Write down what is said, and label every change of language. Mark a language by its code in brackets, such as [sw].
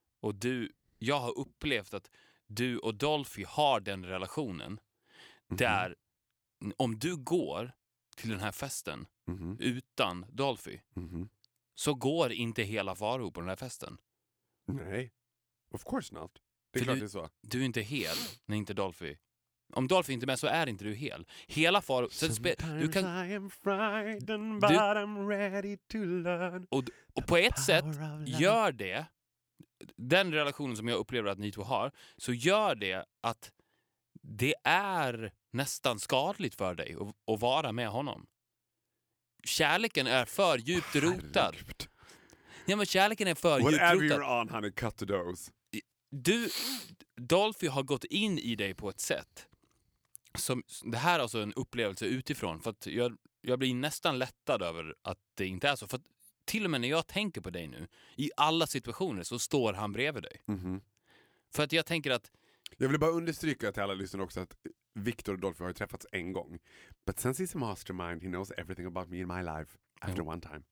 [sv] Och jag har upplevt att du och Dolphy har den relationen där om du går till den här festen utan Dolphy så går inte hela Faro på den här festen. Nej, of course not. Det är klart det är så. Du är inte hel när inte Dolphy. Om Dolphy inte är med så är inte du hel. Hela Faro... [en] Sometimes [sv] du kan, [en] I am frightened but I'm ready to learn. [sv] Och på ett sätt gör det, den relationen som jag upplever att ni två har, så gör det att det är nästan skadligt för dig att vara med honom. kärleken är för djupt rotad. Ja, men kärleken är för djupt rotad. [en] Whatever you're on, honey, cut the dough. [sv] Du, Dolphy har gått in i dig på ett sätt som, det här är alltså en upplevelse utifrån, för att jag blir nästan lättad över att det inte är så, för att till och med när jag tänker på dig nu, i alla situationer så står han bredvid dig. Mm-hmm. För att jag tänker att... Jag vill bara understryka till alla lyssnare också att Victor och Dolphy har träffats en gång. [en] But since he's a mastermind, he knows everything about me in my life after one time.